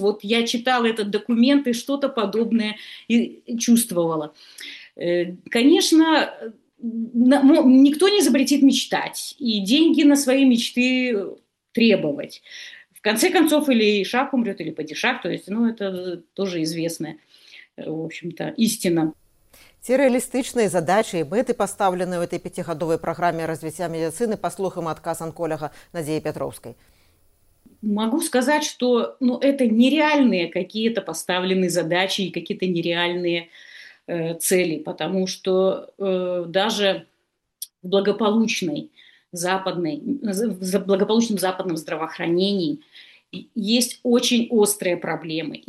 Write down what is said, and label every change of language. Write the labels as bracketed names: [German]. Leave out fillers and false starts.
[Russian] Вот я читала этот документ и что-то подобное чувствовала. Конечно, никто не запретит мечтать и деньги на свои мечты требовать. В конце концов, или шах умрет, или падишах, то есть, ну, это тоже известная, в общем-то, истина. [Belarusian] Ці рэалістычныя задачы і мэты, пастаўленыя ў этой пяцігадовай праграме развіцця медыцыны, паслухаем адказ анколага Надзеі Пятроўскай. [Russian] Могу сказать, что, ну, это нереальные какие-то поставленные задачи и какие-то нереальные цели, потому что даже в благополучной западной, в благополучном западном здравоохранении есть очень острые проблемы.